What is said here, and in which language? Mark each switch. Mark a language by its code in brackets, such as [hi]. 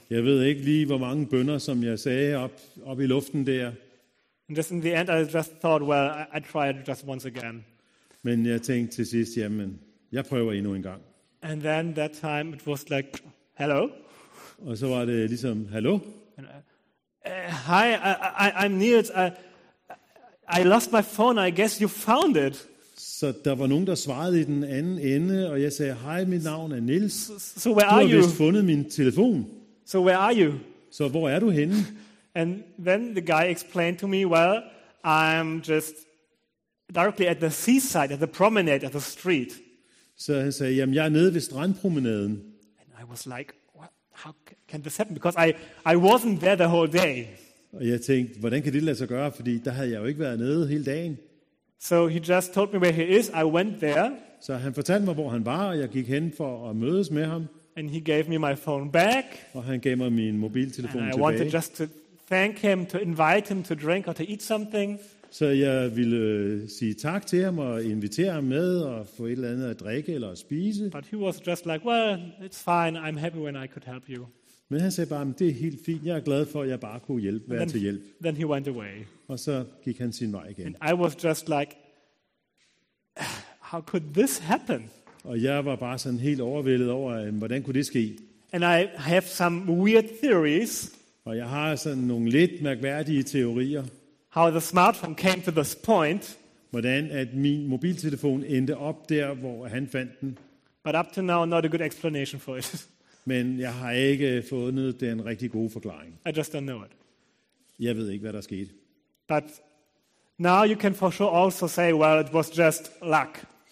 [da] Jeg ved ikke lige hvor mange bønner som jeg sagde op i luften der. [en] And just in the end I just thought, well, I tried just once again. [da] Men jeg tænkte til sidst, jamen, jeg prøver endnu en gang. [en] And then that time it was like, hello. [da] Og så var det ligesom hallo. [en] Hi, I'm Niels. I lost my phone. I guess you found it. [da] Så der var nogen, der svarede i den anden ende, og jeg sagde, hej, mit navn er Niels. [en] So where are you? [da] Du har vist fundet min telefon. [en] So where are you? [da] Så hvor er du henne? [en] And then the guy explained to me, well, I'm just directly at the seaside, at the promenade, at the street. [da] Så han sagde, jamen jeg er nede ved strandpromenaden. [en] And I was like, what? How can this happen? Because I wasn't there the whole day. [da] Og jeg tænkte, hvordan kan det lade sig gøre, fordi der havde jeg jo ikke været nede hele dagen. [en] So he just told me where he is. I went there. [da] Så han fortalte mig hvor han var, og jeg gik hen for at mødes med ham. [en] And he gave me my phone back. [da] Og han gav mig min mobiltelefon [en] and [da] tilbage. [en] I wanted just to thank him, to invite him to drink or to eat something. [da] Så jeg vil sige tak til ham og invitere ham med og få et eller andet at drikke eller at spise. [en] But he was just like, well, it's fine. I'm happy when I could help you. [da] Men han sagde bare, det er helt fint. Jeg er glad for, at jeg bare kunne hjælpe, være til hjælp. [en] Then he went away. [da] Og så gik han sin vej igen. [en] And I was just like, how could this happen? [da] Og jeg var bare sådan helt overvældet over, hvordan kunne det ske? [en] And I have some weird theories. [da] Og jeg har sådan nogle lidt mærkværdige teorier. [en] How the smartphone came to this point. [da] Hvordan at min mobiltelefon endte op der, hvor han fandt den. [en] But up to now, not a good explanation for it. [da] Men jeg har ikke fundet den rigtig gode forklaring. [en] I just don't know it. [da] Jeg ved ikke, hvad der skete. [en] But now you can for sure also say, well, it was just luck.